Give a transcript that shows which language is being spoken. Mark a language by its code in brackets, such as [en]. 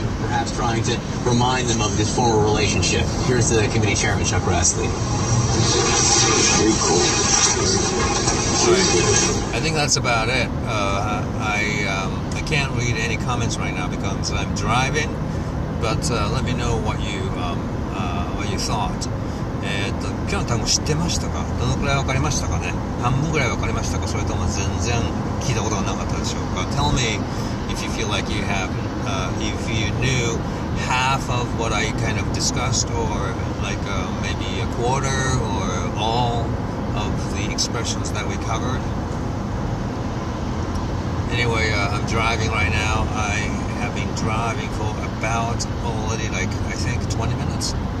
[en] Perhaps trying to remind them of this former relationship. Here's the committee chairman, Chuck Grassley. Very cool. Right. I think that's about it. I can't read any comments right now because I'm driving. But let me know what you thought. [ja] 今日の単語知ってましたか？どのくらいわかりましたかね？半分ぐらいわかりましたか？それとも全然聞いたことがなかったでしょうか？ [en] Tell me if you feel like you have, if you knew half of what I kind of discussed, or like maybe a quarter or all. Of the expressions that we covered. Anyway, I'm driving right now. I have been driving for about already, like, I think 20 minutes.